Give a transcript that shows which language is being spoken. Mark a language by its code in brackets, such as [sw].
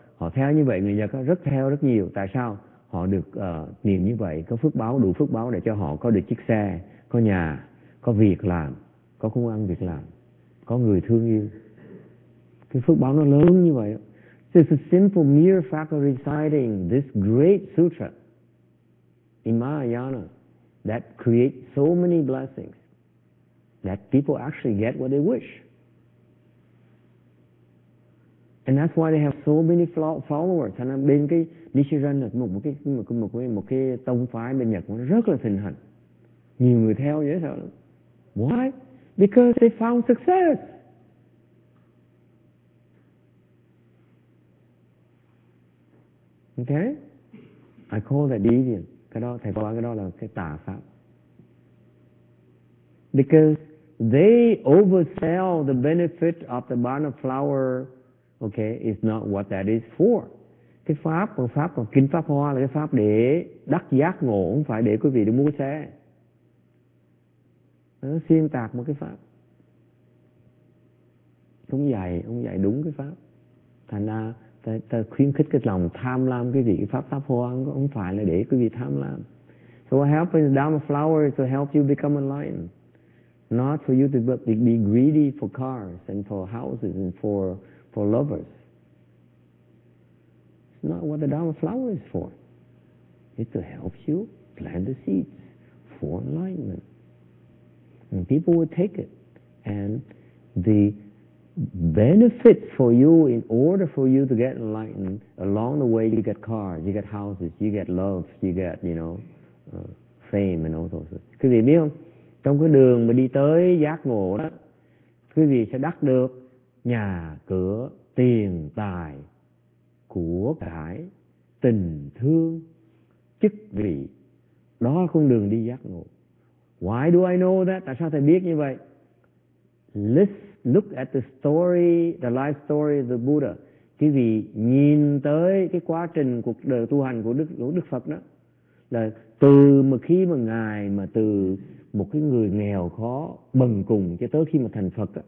[vi] Họ theo như vậy, người Nhật rất theo rất nhiều. Tại sao? Họ được niệm như vậy, có phước báo, đủ phước báo để cho họ có được chiếc xe, có nhà, có việc làm, có công ăn việc làm, có người thương yêu. Cái phước báo nó lớn như vậy. [en] It's a simple mere fact of reciting this great sutra in Mahayana that create so many blessings that people actually get what they wish. And that's why they have so many followers. [vi] And bên cái Nichiren là một cái tông phái bên Nhật nó rất là thịnh hành. Nhiều người theo dễ sợ lắm. [en] Why? Because they found success. Okay? I call that deviant. [vi] Cái đó, thầy gọi cái đó là cái tà pháp. [en] Because they oversell the benefit of the banana flower, okay, is not what that is for. [vi] Cái pháp, còn pháp, còn kinh Pháp Hoa là cái pháp để đắc giác ngộ, không phải để quý vị đi mua xe. Nó xuyên tạc một cái pháp. Ông dạy đúng cái pháp. Thành ra, ta khuyến khích cái lòng tham lam cái gì, cái pháp hoa không phải là để quý vị tham lam. [en] So what happens, Dharma flower is to help you become enlightened, not for you to be greedy for cars and for houses and for lovers. It's not what the Dharma flower is for. It's to help you plant the seeds for enlightenment. And people will take it. And the benefit for you, in order for you to get enlightened, along the way you get cars, you get houses, you get love, you get, you know, fame and all those things. [vi] Quý vị biết không? Trong cái đường mà đi tới giác ngộ đó, quý vị sẽ đắc được nhà, cửa, tiền, tài, của cải, tình, thương, chức vị. Đó là con đường đi giác ngộ. [en] Why do I know that? [vi] Tại sao thầy biết như vậy? [en] Look at the story, the life story of the Buddha. [vi] Quý vị nhìn tới cái quá trình cuộc đời tu hành của Đức Phật đó. Là từ mà khi mà Ngài mà từ một cái người nghèo khó bần cùng cho tới khi mà thành Phật đó.